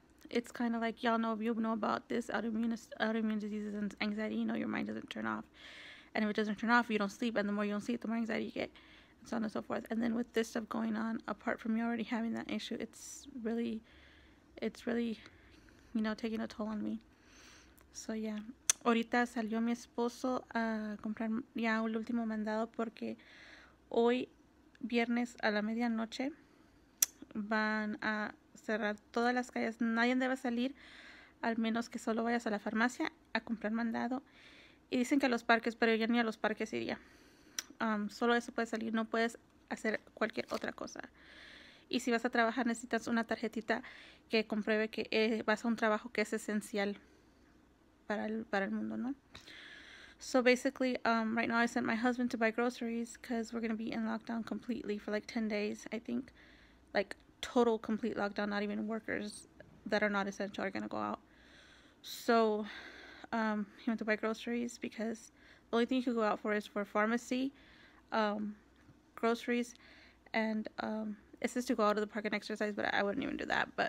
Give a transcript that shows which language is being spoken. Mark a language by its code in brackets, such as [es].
[en] It's kind of like, y'all know, if you know about this, autoimmune diseases and anxiety, you know your mind doesn't turn off. And if it doesn't turn off, you don't sleep. And the more you don't sleep, the more anxiety you get. And so on and so forth. And then with this stuff going on, apart from you already having that issue, it's really, you know, taking a toll on me. So, yeah. [es] Ahorita salió mi esposo a comprar ya el último mandado porque hoy, viernes a la medianoche, van a cerrar todas las calles. Nadie debe salir, al menos que solo vayas a la farmacia a comprar mandado. Y dicen que a los parques, pero yo ni a los parques iría. Solo eso puede salir, no puedes hacer cualquier otra cosa. Y si vas a trabajar, necesitas una tarjetita que compruebe que vas a un trabajo que es esencial para el mundo, ¿no? [en] So basically, right now I sent my husband to buy groceries because we're going to be in lockdown completely for like 10 days, I think. Like total complete lockdown, not even workers that are not essential are going to go out. So he went to buy groceries because the only thing you could go out for is for pharmacy, groceries, and it's just to go out to the park and exercise, but I wouldn't even do that.